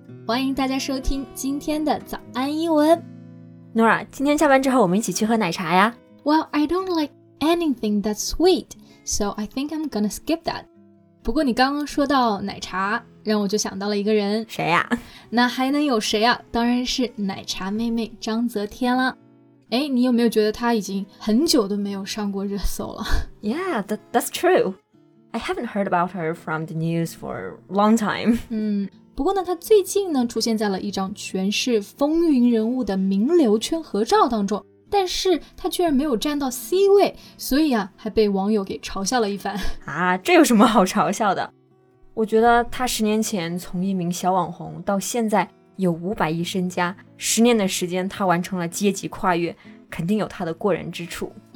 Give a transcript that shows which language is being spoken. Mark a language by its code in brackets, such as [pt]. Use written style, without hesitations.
[zh] 欢迎大家收听今天的早安英文。 Nora, 今天下班之后我们一起去喝奶茶呀。 [en] Well, I don't like anything that's sweet, so I think I'm gonna skip that. [zh] 不过你刚刚说到奶茶，让我就想到了一个人。谁呀？那还能有谁呀？当然是奶茶妹妹张泽天了。哎，你有没有觉得他已经很久都没有上过热搜了？ [en] Yeah, that's true. I haven't heard about her from the news for a long time. [zh] 不过呢，他最近呢出现在了一张全是风云人物的名流圈合照当中，但是他居然没有站到 C 位，所以啊，还被网友给嘲笑了一番。啊，这有什么好嘲笑的？我觉得他十年前从一名小网红到现在有500亿身家，十年的时间他完成了阶级跨越，肯定有他的过人之处。